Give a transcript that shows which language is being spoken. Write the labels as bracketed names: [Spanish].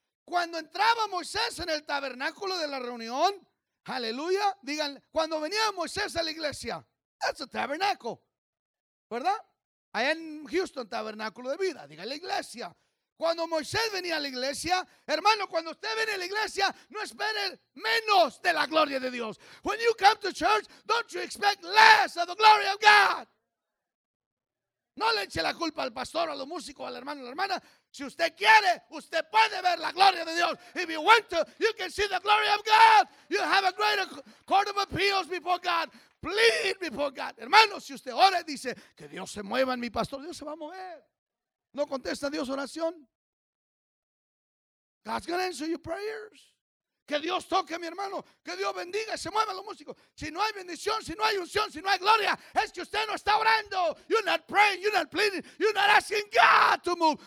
[Spanish] Cuando entraba Moisés en el tabernáculo de la reunión, aleluya, digan, cuando venía Moisés a la iglesia, [English] that's a tabernacle, [Spanish] ¿verdad? Allá en Houston, tabernáculo de vida, diga la iglesia. Cuando Moisés venía a la iglesia, hermano, cuando usted viene a la iglesia, no espere menos de la gloria de Dios. [English] When you come to church, don't you expect less of the glory of God. [Spanish] No le eche la culpa al pastor, a los músicos, al hermano, a la hermana. Si usted quiere, usted puede ver la gloria de Dios. [English] If you want to, you can see the glory of God. You have a greater court of appeals before God. Plead before God. [Spanish] Hermano, si usted ora y dice, que Dios se mueva en mi pastor, Dios se va a mover. ¿No contesta Dios oración? [English] God's going to answer your prayers. [Spanish] Que Dios toque, mi hermano. Que Dios bendiga y se muevan los músicos. Si no hay bendición, si no hay unción, si no hay gloria, es que usted no está orando. [English] You're not praying, you're not pleading, you're not asking God to move.